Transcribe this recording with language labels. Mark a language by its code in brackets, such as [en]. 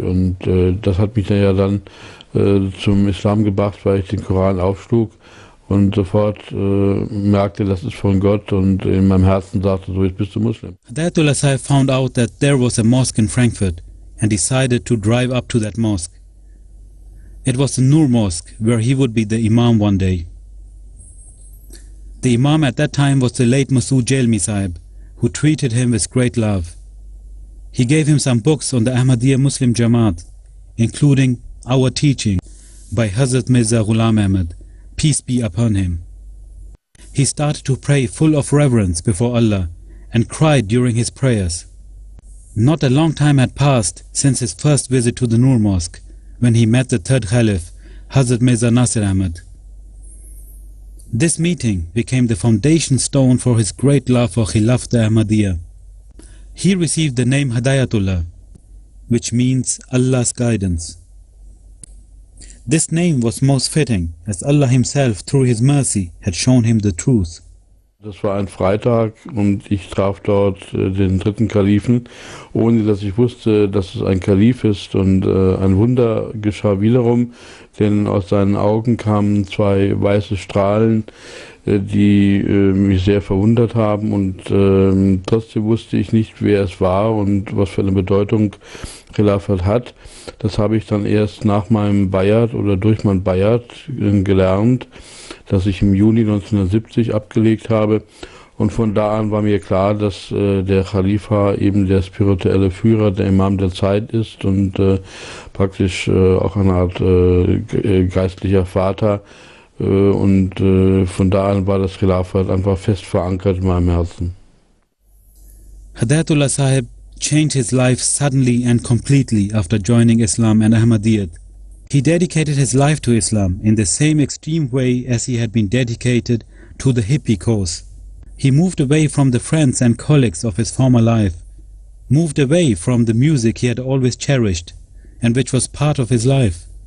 [de] Und das hat mich dann ja dann zum Islam gebracht, weil ich den Koran aufschlug und sofort merkte, das ist von Gott, und in meinem Herzen sagte, so, jetzt bist du Muslim. [en] Hadayatullah Sahib found out that there was a mosque in Frankfurt and decided to drive up to that mosque. It was the Nur Mosque, where he would be the Imam one day. The Imam at that time was the late Masood Jelmi Sahib, who treated him with great love. He gave him some books on the Ahmadiyya Muslim Jamaat, including Our Teaching by Hazrat Mirza Ghulam Ahmad, peace be upon him. He started to pray full of reverence before Allah and cried during his prayers. Not a long time had passed since his first visit to the Nur Mosque, when he met the third Khalif, Hazrat Mirza Nasir Ahmad. This meeting became the foundation stone for his great love for Khilafat Ahmadiyya. He received the name Hadayatullah, which means Allah's guidance. This name was most fitting, as Allah himself, through his mercy, had shown him the truth. [de] Das war ein Freitag und ich traf dort den dritten Kalifen, ohne dass ich wusste, dass es ein Kalif ist. Und ein Wunder geschah wiederum, denn aus seinen Augen kamen zwei weiße Strahlen, die mich sehr verwundert haben. Und trotzdem wusste ich nicht, wer es war und was für eine Bedeutung Khilafat hat. Das habe ich dann erst nach meinem Bayat oder durch mein Bayat gelernt, das ich im Juni 1970 abgelegt habe. Und von da an war mir klar, dass der Khalifa eben der spirituelle Führer, der Imam der Zeit ist und praktisch auch eine Art geistlicher Vater. Und von da an war das Khilafat einfach fest verankert in meinem Herzen. [en] Hadayatullah Sahib changed his life suddenly and completely after joining Islam and Ahmadiyyat. He dedicated his life to Islam in the same extreme way as he had been dedicated to the hippie cause. He moved away from the friends and colleagues of his former life, moved away from the music he had always cherished and which was part of his life.